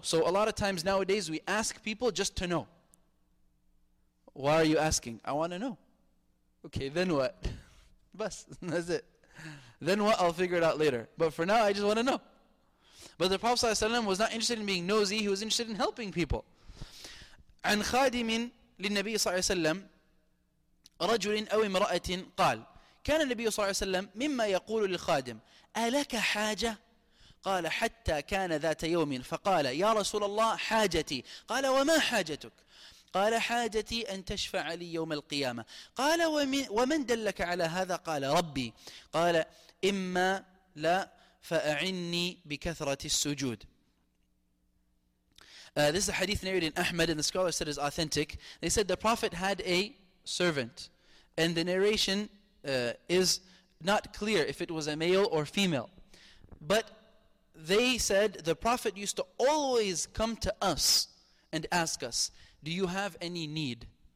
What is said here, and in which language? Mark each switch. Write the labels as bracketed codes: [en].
[en] So a lot of times nowadays we ask people just to know. Why are you asking? I want to know. Okay, then what? Bas, that's it. Then what? I'll figure it out later. But for now, I just want to know. But the Prophet ﷺ was not interested in being nosy. He was interested in helping people. [ar] عن خادم للنبي صلى الله عليه وسلم رجل أو امرأة قال كان النبي صلى الله عليه وسلم مما يقول للخادم ألك حاجة؟ قال حتى كان ذات يوم فقال يا رسول الله حاجتي. قال وما حاجتك؟ قال حاجتي أن تشفع لي يوم القيامة. قال ومن دلك على هذا؟ قال ربي. قال إما لا فأعني بكثرة السجود. [en] This is a hadith narrated in Ahmad, and the scholar said it's authentic. They said the Prophet had a servant, and the narration is not clear if it was a male or female, but they said the Prophet used to always come to us and ask us, do you have any need?